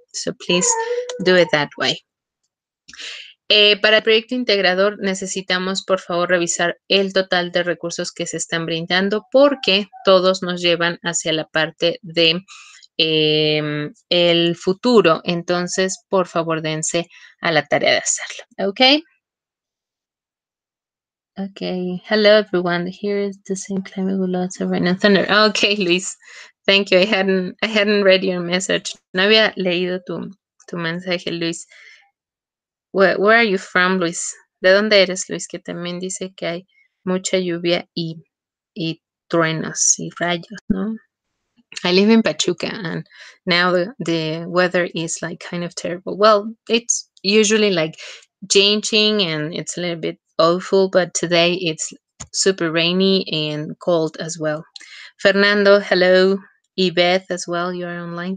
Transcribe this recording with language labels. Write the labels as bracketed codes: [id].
[en] So, please do it that way. [es] Para el proyecto integrador necesitamos, por favor, revisar el total de recursos que se están brindando porque todos nos llevan hacia la parte de el futuro. Entonces, por favor, dense a la tarea de hacerlo. ¿Ok? [en] Ok. Hello, everyone. Here is the same climate with lots of rain and thunder. Ok, Luis. Thank you. I hadn't read your message. [es] No había leído tu, tu mensaje, Luis. [en] Where are you from, Luis? [es] ¿De dónde eres, Luis? Que también dice que hay mucha lluvia y truenos y rayos, ¿no? [en] I live in Pachuca and now the weather is like kind of terrible. Well, it's usually like changing and it's a little bit awful, but today it's super rainy and cold as well. Fernando, hello. Yvette as well, you're online.